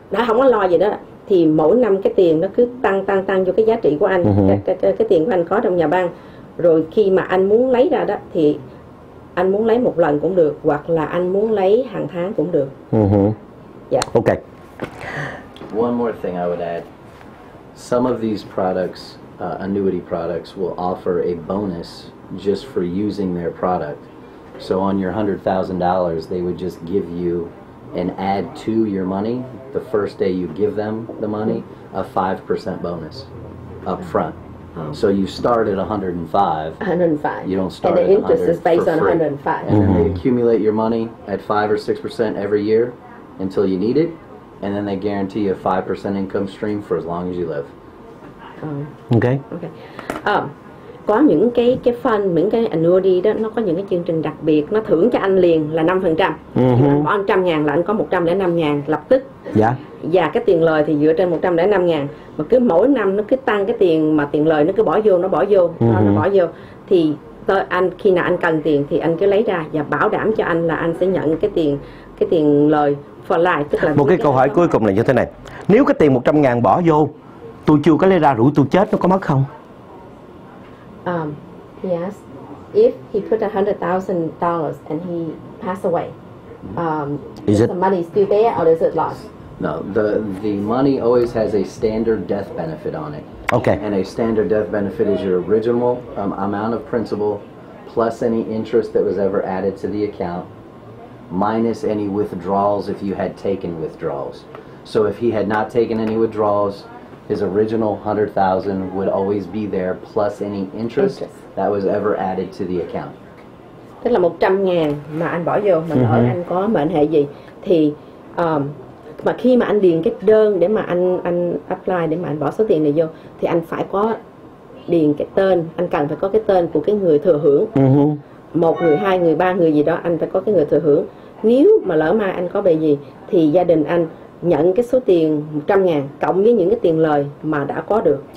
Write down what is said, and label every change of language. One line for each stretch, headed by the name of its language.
Vietnamese: đã không có lo gì đó, thì mỗi năm cái tiền nó cứ tăng vô cái giá trị của anh, cái tiền của anh có trong nhà băng. Rồi khi mà anh muốn lấy ra đó thì anh muốn lấy một lần cũng được hoặc là anh muốn lấy hàng tháng cũng được.
English: Okay. One more thing I would add. Some of these products, annuity products, will offer a bonus just for using their product. So on your $100,000, they would just give you and add to your money the first day you give them the money a 5% bonus up front. So you start at 105. You don't start at 100. And the interest is based on 105. And then they accumulate your money at 5 or 6% every year until you need it, and then they guarantee you a 5% income stream for as long as you live. Okay. Okay.
Vietnamese: Có những cái fund, những cái annuity đó, nó có những cái chương trình đặc biệt, nó thưởng cho anh liền là 5%. Anh bỏ 100.000 là anh có 105.000 lập tức. Và cái tiền lời thì dựa trên 105.000, mà cứ mỗi năm nó cứ tăng cái tiền mà tiền lời nó cứ bỏ vô, nó bỏ vô. Thì anh khi nào anh cần tiền thì anh cứ lấy ra và bảo đảm cho anh là anh sẽ nhận cái tiền lời
English: for life.
Vietnamese: Tức là một cái câu hỏi cuối cùng là như thế này: nếu cái tiền 100.000 bỏ vô, tôi chưa có lấy ra rủi tôi chết, nó có mất không?
English: Yes. If he put $100,000 and he passed away, Is it the money still there or is it lost? No, the money always has a standard death benefit on it. Okay. And a standard death benefit is your original amount of principal plus any interest that was ever added to the account minus any withdrawals if you had taken withdrawals. So if he had not taken any withdrawals, his original $100,000 would always be there plus any interest that was ever added to the account.
Vietnamese: Tức là 100 ngàn mà anh bỏ vô, mà hỏi anh có mệnh hệ gì thì mà khi mà anh điền cái đơn để mà anh apply để mà anh bỏ số tiền này vô thì anh phải có điền cái tên, anh cần phải có cái tên của cái người thừa hưởng. Một người, hai người, ba người gì đó, anh phải có cái người thừa hưởng. Nếu mà lỡ mai anh có bệnh gì thì gia đình anh nhận cái số tiền 100 ngàn cộng với những cái tiền lời mà đã có được.